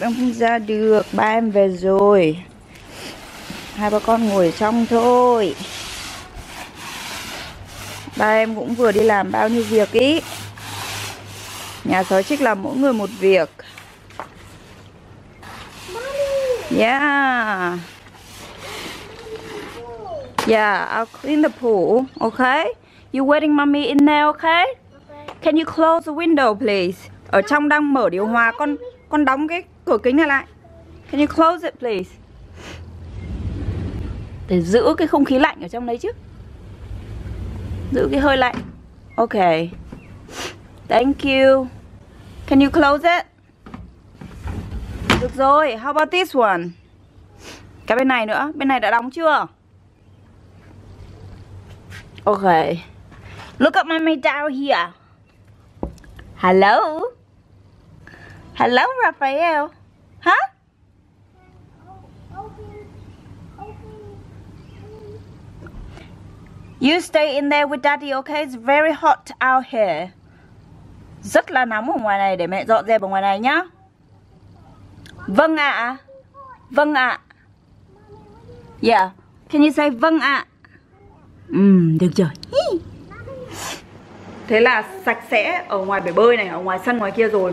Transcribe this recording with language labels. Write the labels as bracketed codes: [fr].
[vi] Em không ra được. Ba em về rồi. Hai ba con ngồi ở trong thôi. Ba em cũng vừa đi làm bao nhiêu việc ý. Nhà sói Trích làm mỗi người một việc. [en] Yeah, I'll clean the pool, okay? You're waiting mommy in there, okay? Can you close the window, please? [vi] Ở trong đang mở điều hòa, con đóng cái cửa kính này lại. [en] Can you close it, please? [vi] Để giữ cái không khí lạnh ở trong đấy chứ. Giữ cái hơi lạnh. [en] Okay. Thank you. Can you close it? [vi] Được rồi, [en] how about this one? [vi] Cái bên này nữa, bên này đã đóng chưa? [en] Okay. Look at mommy down here. Hello? Hello, Raphael? Huh? You stay in there with daddy, okay? It's very hot out here. [vi] Rất là nóng ở ngoài này, để mẹ dọn dẹp ở ngoài này nhá. Vâng ạ. À. Vâng ạ. À. [en] Yeah. Can you say [vi] vâng ạ? À? Được rồi. Thế là sạch sẽ ở ngoài bể bơi này, ở ngoài sân ngoài kia rồi.